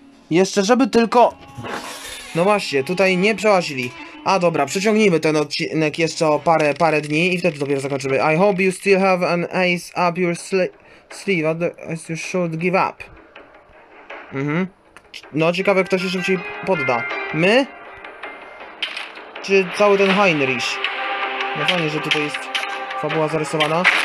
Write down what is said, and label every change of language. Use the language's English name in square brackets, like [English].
[Polish] Jeszcze żeby tylko... No właśnie, tutaj nie przełazili. A dobra, przeciągnijmy ten odcinek jeszcze o parę dni i wtedy dopiero zakończymy. [English] I hope you still have an ace up your sleeve, otherwise you should give up. Mhm. [Polish] No, ciekawe, kto się szybciej podda. My? Czy cały ten Heinrich? No fajnie, że tutaj jest fabuła zarysowana.